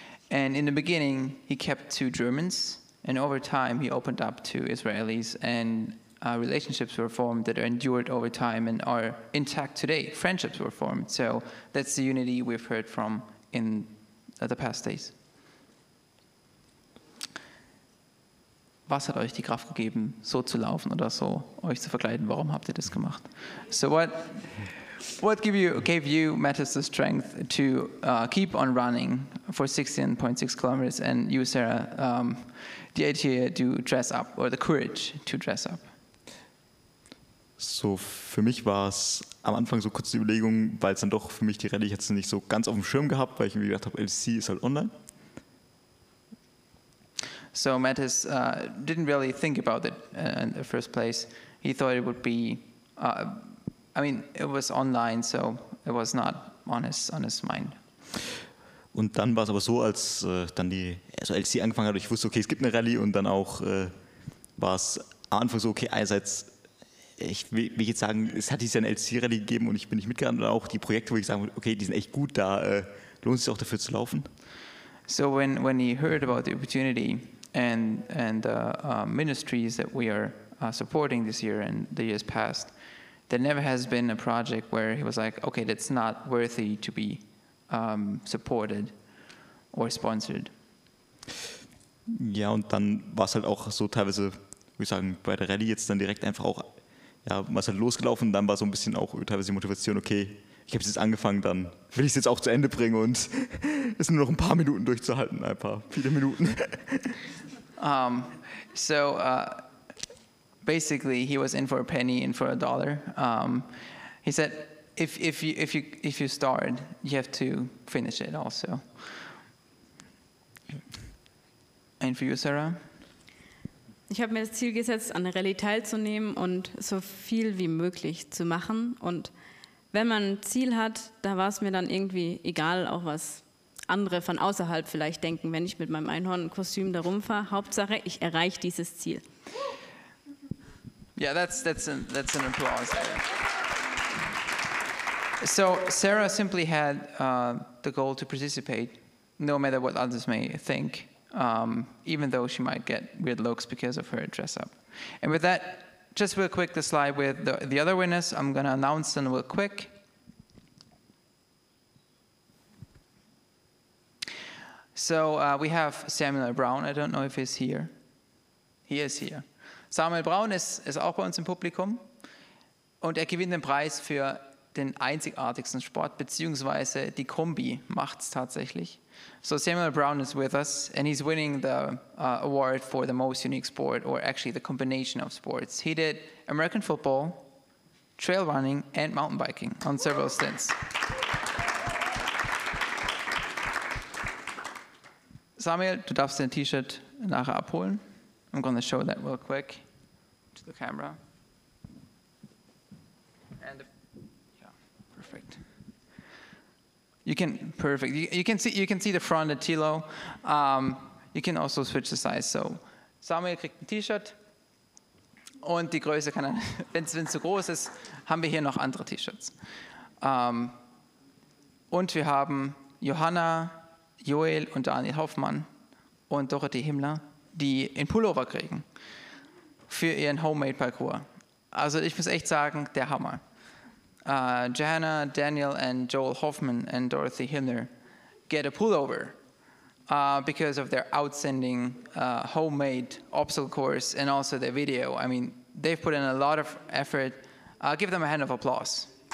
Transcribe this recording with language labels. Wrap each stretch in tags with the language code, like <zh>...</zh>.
<en>And in the beginning, he kept to Germans. And over time, he opened up to Israelis. And relationships were formed that are endured over time and are intact today. Friendships were formed. So that's the unity we've heard from in the past days.</en> <de>Was hat euch die Kraft gegeben, so zu laufen oder so euch zu verkleiden? Warum habt ihr das gemacht?</de> <en>So what gave you Mathis the strength to keep on running for 16.6 kilometers and you, Sarah, the idea to dress up or the courage to dress up?</en> <de>So für mich war es am Anfang so kurz die Überlegung, weil es dann doch für mich die Rallye, ich hatte es nicht so ganz auf dem Schirm gehabt, weil ich mir gedacht habe, LTC ist halt online.</de> <en>So Mathis didn't really think about it in the first place. He thought it would be, it was online, so it was not on his mind.</en> <de>Und dann war es aber so, als dann die also LTC angefangen hat, ich wusste, okay, es gibt eine Rallye und dann auch war es am Anfang so, okay, einerseits, ich will jetzt sagen, es hat diese LTC-Rallye gegeben und ich bin nicht mitgegangen, und auch die Projekte, wo ich sage, okay, die sind echt gut, da lohnt es sich auch dafür zu laufen.</de> <en>So when he heard about the opportunity, and the ministries that we are supporting this year and the years past, there never has been a project where he was like, okay, that's not worthy to be supported or sponsored.</en> <de>Ja, und dann war es halt auch so teilweise, würde ich sagen, bei der Rallye jetzt dann direkt einfach auch, ja, man ist halt losgelaufen, dann war so ein bisschen auch teilweise die Motivation, okay, ich habe es jetzt angefangen, dann will ich es jetzt auch zu Ende bringen und es sind nur noch ein paar Minuten durchzuhalten, ein paar, viele Minuten.</de> <en>So basically he was in for a penny, in for a dollar. He said, if you start, you have to finish it also. And for you, Sarah?</en> <de>Ich habe mir das Ziel gesetzt, an der Rallye teilzunehmen und so viel wie möglich zu machen und wenn man ein Ziel hat, da war es mir dann irgendwie egal, auch was andere von außerhalb vielleicht denken, wenn ich mit meinem Einhornkostüm da rumfahre. Hauptsache, ich erreiche dieses Ziel.</de> <en>Yeah, that's an applause. So Sarah simply had the goal to participate, no matter what others may think, even though she might get weird looks because of her dress up. And with that, just real quick, the slide with the other winners. I'm going to announce them real quick. So we have Samuel Brown. I don't know if he's here. He is here.</en> <de>Samuel Brown ist auch bei uns im Publikum und er gewinnt den Preis für den einzigartigsten Sport, beziehungsweise die Kombi macht es tatsächlich.</de> <en>So Samuel Brown is with us and he's winning the award for the most unique sport, or actually the combination of sports. He did American football, trail running and mountain biking on several stints.</en> <de>Samuel, du darfst dein T-Shirt nachher abholen.</de> <en>I'm going to show that real quick to the camera. And yeah, perfect. You can see the front of Tilo. You can also switch the size.</en> <de>So Samuel kriegt ein T-Shirt und die Größe kann er, wenn es zu groß ist, haben wir hier noch andere T-Shirts. Und wir haben Johanna, Joel und Daniel Hoffmann und Dorothy Himmler, die in Pullover kriegen für ihren Homemade-Parcours. Also ich muss echt sagen, der Hammer.</de> <en>Johanna, Daniel and Joel Hoffman and Dorothy Himmler get a pullover because of their outstanding homemade obstacle course and also their video. I mean, they've put in a lot of effort. Give them a hand of applause.</en>